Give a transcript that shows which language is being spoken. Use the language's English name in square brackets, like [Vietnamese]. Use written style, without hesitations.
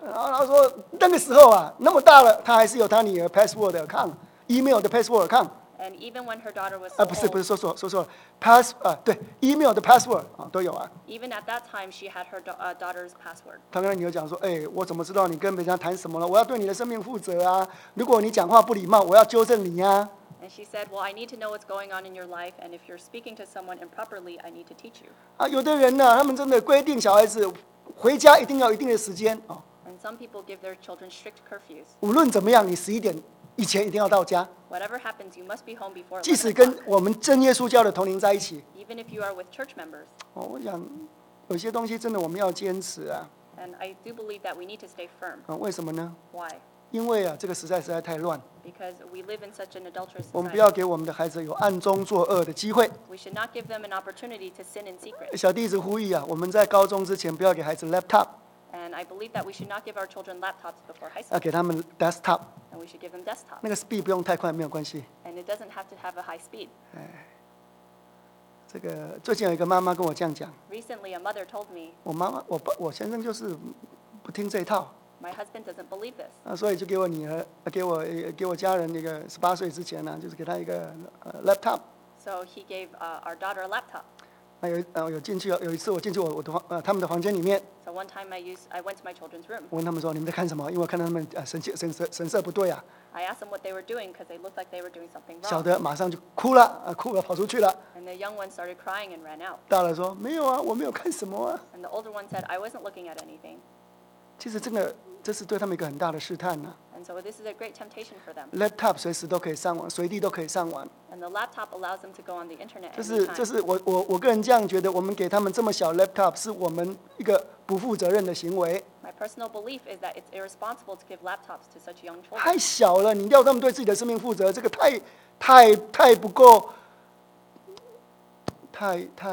[Chinese] 然后她说那个时候啊，那么大了，她还是有她女儿 password 的 account， email 的 password account。 [English] And even when her daughter was [Chinese] old, 不是说 pass 对 email 的 password 啊都有啊。 [English] Even at that time, she had her daughter's password. [Chinese] 她跟她女儿讲说，哎，我怎么知道你跟别人谈什么了？我要对你的生命负责啊！如果你讲话不礼貌，我要纠正你啊。 [English] And she said, "Well, I need to know what's going on in your life, and if you're speaking to someone improperly, I need to teach you." [Chinese] 啊，有的人呢，他们真的规定小孩子回家一定要一定的时间啊。 [English] And some people give their children strict curfews. [Chinese] 无论怎么样，你十一点。以前一定要到家。 [English] Whatever happens, you must be home before. [Chinese] 即使跟我们真耶稣教的同龄在一起。 [English] Even if you are with church members. [Chinese] 哦，我想有些东西真的我们要坚持啊。 [English] And I do believe that we need to stay firm. [Chinese] 啊，为什么呢 [English] ？Why? [Chinese] 因为啊，这个实在太乱。 [English] Because we live in such an adulterous society. [Chinese] 我们不要给我们的孩子有暗中作恶的机会。 [English] We should not give them an opportunity to sin in secret. [Chinese] 小弟一直呼吁啊，我们在高中之前不要给孩子 laptop。 [English] And I believe that we should not give our children laptops before high school. [Chinese] 要给他们 desktop. [English] And we should give them desktop. [Chinese] 那个 speed 不用太快，没有关系。 [English] And it doesn't have to have a high speed. [Chinese] 哎，这个最近有一个妈妈跟我这样讲。 [English] Recently, a mother told me. [Chinese] 我妈妈，我先生就是不听这一套。 [English] My husband doesn't believe this. [Chinese] 啊，所以就给我女儿，给我家人那个18岁之前呢、啊，就是给他一个laptop. [English] So he gave our daughter a laptop. [Chinese] 有一次我进去他们的房间里面。 [English] So one time I went to my children's room. [Chinese] 问他们说你们在看什么？因为我看到他们神色不对啊。 [English] I asked them what they were doing because they looked like they were doing something wrong. [Chinese] 小的马上就哭了，哭了跑出去了。 [English] And the young one started crying and ran out. [Chinese] 大的说没有啊，我没有看什么啊。 [English] And the older one said I wasn't looking at anything. [Chinese] 其实真的这是对他们一个很大的试探呢、啊。 [English] And so this is a great temptation for them. [Chinese] Laptop 随时都可以上网，随地都可以上网。 [English] And the laptop allows them to go on the internet. [Chinese] 这是我个人这样觉得，我们给他们这么小 laptop 是我们一个不负责任的行为。 [English] My personal belief is that it's irresponsible to give laptops to such young children. [Chinese] 太小了，你要他们对自己的生命负责，这个太不够，太。